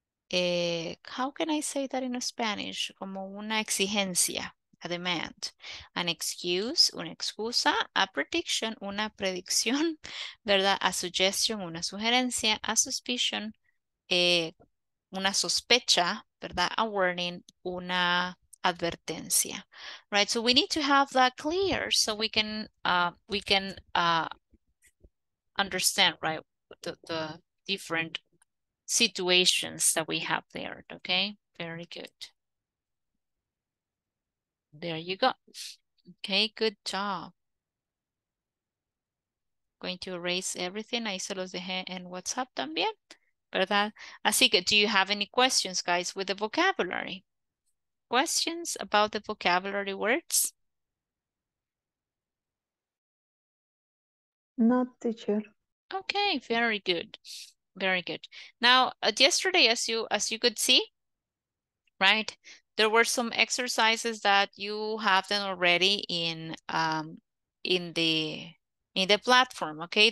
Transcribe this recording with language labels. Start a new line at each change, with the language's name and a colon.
English: how can I say that in Spanish?
Spanish: Como una exigencia,
English: a demand, an excuse,
Spanish: una excusa,
English: a prediction,
Spanish: una predicción, ¿verdad?
English: A suggestion,
Spanish: una sugerencia,
English: a suspicion,
Spanish: una sospecha, ¿verdad?
English: A warning,
Spanish: una advertencia,
English: right? So we need to have that clear so we can understand, right, the different situations that we have there. Okay, very good. There you go. Okay, good job. Going to erase everything.
Spanish: Ahí se los dejé en WhatsApp también, ¿verdad? Así que,
English: do you have any questions, guys, with the vocabulary? Questions about the vocabulary words? No, teacher. Okay, very good. Very good. Now, yesterday, as you could see, right, there were some exercises that you have done already in the platform, okay?